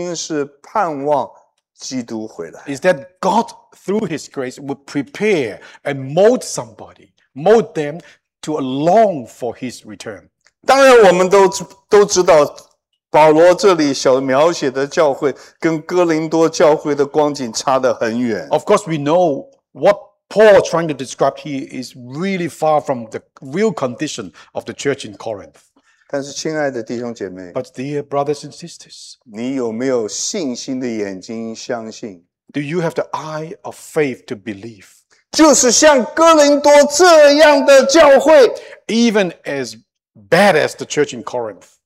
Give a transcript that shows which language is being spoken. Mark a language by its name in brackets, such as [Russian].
[Chinese] 是神的恩典会在他教会中创造出、预备出一群人，他们的心是盼望基督回来。 [English] Is that God, through His grace, would prepare and mold somebody, mold them to long for His return. [Chinese] 当然我们都知道。保罗这里所描写的教会跟哥林多教会的光景差得很远。 [English] Of course, we know what Paul is trying to describe here is really far from the real condition of the church in Corinth. [Chinese] 但是亲爱的弟兄姐妹, [English] But dear brothers and sisters, [Chinese] 你有没有信心的眼睛相信? [English] Do you have the eye of faith to believe? [Chinese] 就是像哥林多这样的教会, [English] Even as bad as the church in Corinth,